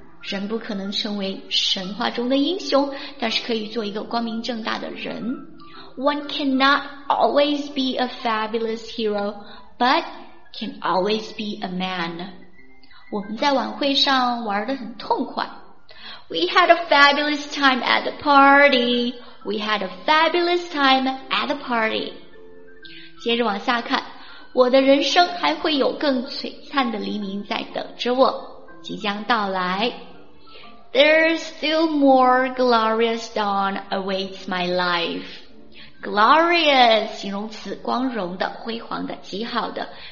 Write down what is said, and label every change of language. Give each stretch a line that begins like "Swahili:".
Chinese: 人不可能成为神话中的英雄，但是可以做一个光明正大的人。
English: One cannot always be a fabulous hero, but can always be a man.
Chinese: 我们在晚会上玩得很痛快。
English: We had a fabulous time at the party. We had a fabulous time at the party.
Chinese: 接着往下看，我的人生还会有更璀璨的黎明在等着我，即将到来。
English: There's still more glorious dawn awaits my life.
Chinese: Glorious, 形容词，光荣的，辉煌的，极好的。